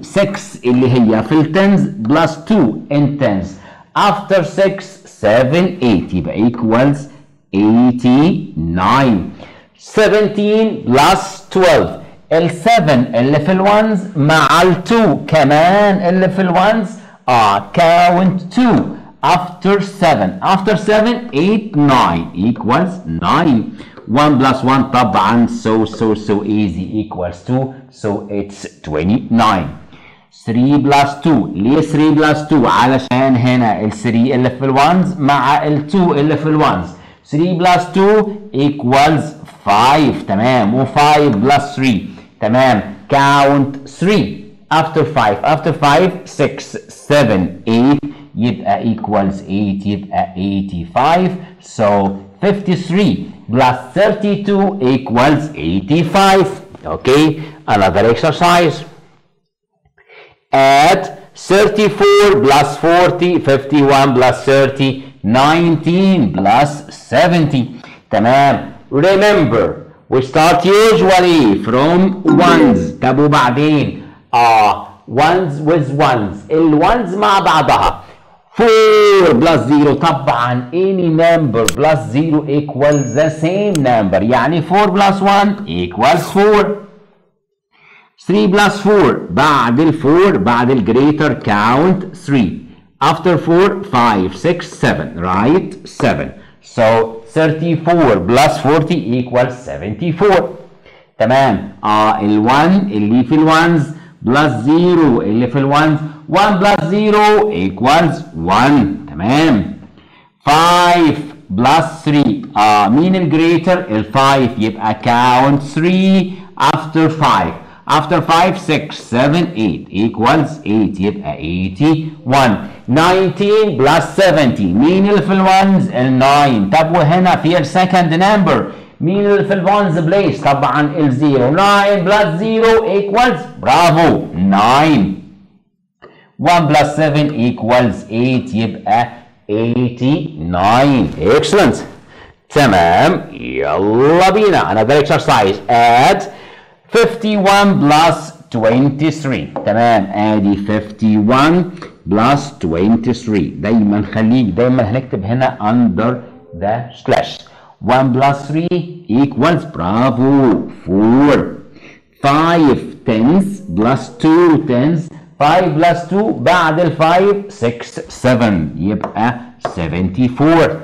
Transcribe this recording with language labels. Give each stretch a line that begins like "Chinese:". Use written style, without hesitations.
Arabic: 6 اللي هي في التنز
English: plus 2 in tens. After 6, 7, 8. يبقى equals 89. 17 plus 12.
Arabic: ال 7 اللي في الونز مع ال 2 كمان اللي في الونز.
English: Count 2. After 7. After 7, 8, 9. Equals 9. 1 plus 1 طبعا so easy equals 2, so it's 29.
Arabic: 3 plus 2 ليه 3 plus 2؟ علشان هنا ال 3 اللي في ال 1 مع ال 2 اللي في ال 1.
English: 3 plus 2 equals 5 تمام، و 5 plus 3 تمام. Count 3 after 5. After 5, 6, 7, 8 يبقى equals 8 يبقى 85. So 53 plus 32 equals 85. Okay, another exercise. Add 34 plus 40, 51 plus 30, 19 plus 70. تمام. Remember, we start usually from ones.
Arabic: تابو بعدين.
English: Ones with ones.
Arabic: ال ones مع بعضها.
English: 4 plus 0 طبعا any number plus 0 equals the same number. يعني 4 plus 1 equals 4. 3 plus 4
Arabic: بعد ال 4 بعد ال
English: greater count 3. After 4, 5, 6, 7. Right? 7. So 34 plus 40 equals 74. تمام.
Arabic: ال 1 اللي في ال 1s plus 0 اللي في ال 1s.
English: 1 plus 0 equals 1. تمام. 5 plus 3.
Arabic: مين ال greater؟ ال 5.
English: يبقى count 3 after 5. After 5, 6, 7, 8 equals 8. يبقى 81. 19 plus 70.
Arabic: مين اللي في الونز؟ ال 9. طب وهنا في ال
English: second number.
Arabic: مين اللي في الونز بليس؟ طبعا ال 0.
English: 9 plus 0 equals برافو 9. 1 plus 7 equals 8. يبقى 89. Excellent. تمام.
Arabic: يلا بينا.
English: Another exercise. Add 51 plus 23. تمام. ادي 51 plus 23.
Arabic: دايما خليك دايما هنكتب هنا
English: under the slash. 1 plus 3 equals برافو 4. 5 tens plus 2 tens. 5 plus 2
Arabic: بعد ال
English: 5 6 7 يبقى 74.